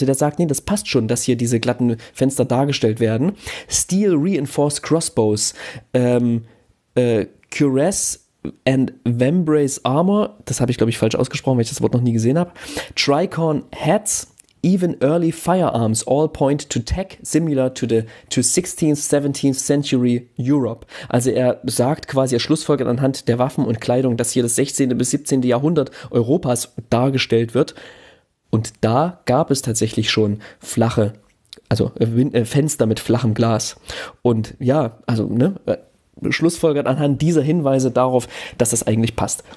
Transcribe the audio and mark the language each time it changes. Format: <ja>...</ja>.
<de>Also der sagt, nee, das passt schon, dass hier diese glatten Fenster dargestellt werden.</de> <en>Steel reinforced crossbows, cuirass and vambrace armor,</en> <de>das habe ich glaube ich falsch ausgesprochen, weil ich das Wort noch nie gesehen habe.</de> <en>Tricorn hats, even early firearms all point to tech similar to 16th, 17th century Europe.</en> <de>Also er sagt quasi, er schlussfolgert anhand der Waffen und Kleidung, dass hier das 16. bis 17. Jahrhundert Europas dargestellt wird. Und da gab es tatsächlich schon flache, also Fenster mit flachem Glas. Und ja, also ne, schlussfolgert anhand dieser Hinweise darauf, dass das eigentlich passt.</de>